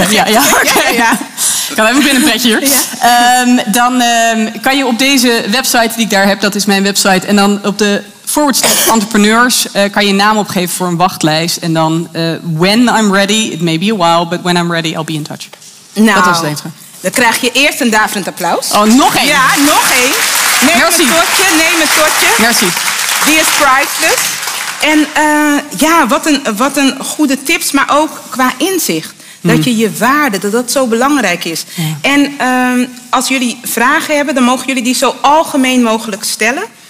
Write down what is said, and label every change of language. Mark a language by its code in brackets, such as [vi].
[nl] Ik ga even binnen pretje hier. Ja. Dan kan je op deze website die ik daar heb, dat is mijn website, en dan op de [en] forward slash entrepreneurs [nl] kan je naam opgeven voor een wachtlijst. [en] En dan when I'm ready, it may be a while, but when I'm ready, I'll be in touch. [nl] Nou, dat was het enige. Dan krijg je eerst een daverend applaus. Oh, nog één. Ja, nog één. Neem een tortje. Merci. Die is priceless. En wat een goede tips, maar ook qua inzicht. Dat je waarde, dat zo belangrijk is. Ja. En als jullie vragen hebben, dan mogen jullie die zo algemeen mogelijk stellen.